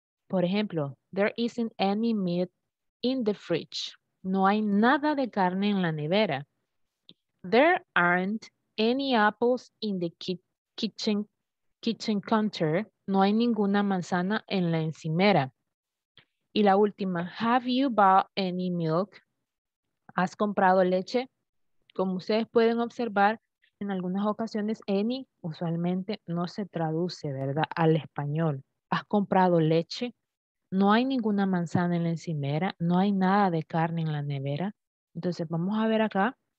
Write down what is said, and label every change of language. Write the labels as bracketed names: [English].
[Spanish] Por ejemplo, [English] there isn't any meat in the fridge. [Spanish] No hay nada de carne en la nevera. [English] There aren't any apples in the kitchen counter. [Spanish] No hay ninguna manzana en la encimera. Y la última, [English] have you bought any milk? [Spanish] ¿Has comprado leche? Como ustedes pueden observar, en algunas ocasiones any usualmente no se traduce, ¿verdad?, al español. ¿Has comprado leche? No hay ninguna manzana en la encimera. No hay nada de carne en la nevera. Entonces, vamos a ver acá.